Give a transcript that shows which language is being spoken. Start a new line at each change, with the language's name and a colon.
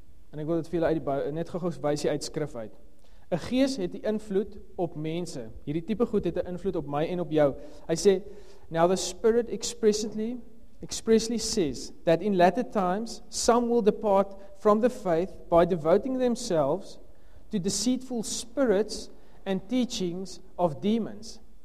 Afrikaans: En ek wil dit vir julle wys uit skrif uit. 'n Gees het die invloed op mense. Hierdie tipe goed het 'n invloed op my en op jou. Hy sê,
English: now the Spirit expressly says that in latter times some will depart from the faith by devoting themselves to deceitful spirits and teachings of demons.